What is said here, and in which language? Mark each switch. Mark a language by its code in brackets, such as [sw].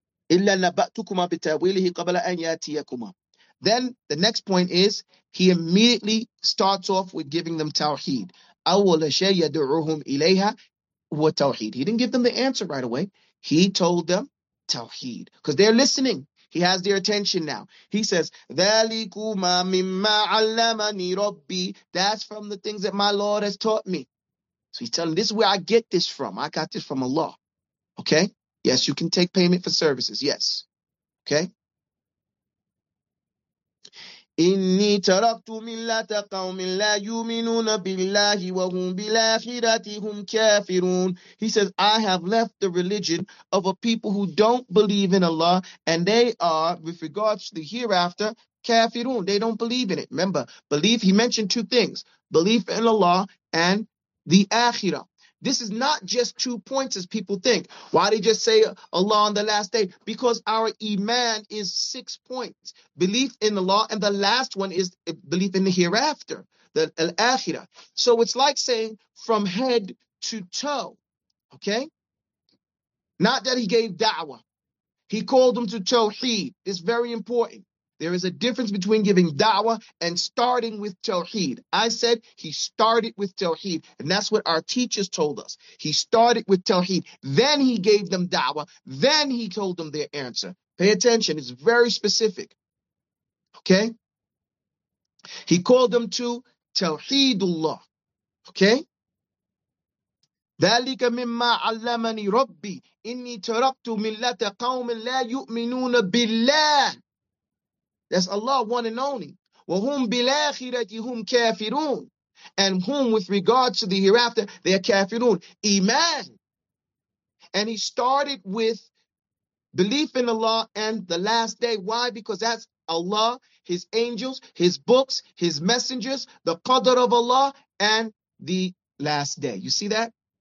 [ar] إِلَّا نَبَأْتُكُمَا بِتَأْوِيلِهِ قَبْلَ أَنْ يَأْتِيَكُمَا. [en] Then the next point is he immediately starts off with giving them tawheed. [ar] أَوَّلَ شَيْ يَدْعُوهُمْ إِلَيْهَا وَتَوْحِيدٌ. [en] He didn't give them the answer right away. He told them tawheed because they're listening. He has their attention now. He says, [ar] ذَلِكُمَا مِمَّا عَلَّمَنِي رَبِّي. [en] That's from the things that my Lord has taught me. So he's telling, this is where I get this from. I got this from Allah. Okay? Yes, you can take payment for services. Yes. Okay? [ar] إني تركت ملة قوم لا يؤمنون بالله وهم بالآخرة هم كافرون. [en] He says, I have left the religion of a people who don't believe in Allah, and they are, with regards to the hereafter, كافرون. They don't believe in it. Remember, belief, he mentioned two things, belief in Allah and the Akhirah. This is not just 2 points as people think. Why did he just say Allah on the last day? Because our iman is 6 points. Belief in Allah, and the last one is belief in the hereafter, the al-akhirah. So it's like saying from head to toe, okay? Not that he gave da'wah. He called them to tawheed. It's very important. There is a difference between giving da'wah and starting with tawheed. I said he started with tawheed, and that's what our teachers told us. He started with tawheed, then he gave them da'wah, then he told them their answer. Pay attention, it's very specific. Okay? He called them to tawheedullah. Okay? [ar] ذلك مما علمني ربي إني تركت ملة قوم لا يؤمنون بالله. [en] That's Allah, one and only. [ar] وَهُمْ بِالْآخِرَتِهُمْ كَافِرُونَ. [en] And whom with regards to the hereafter, they are kafirun. Iman. And he started with belief in Allah and the last day. Why? Because that's Allah, his angels, his books, his messengers, the qadr of Allah, and the last day. You see that?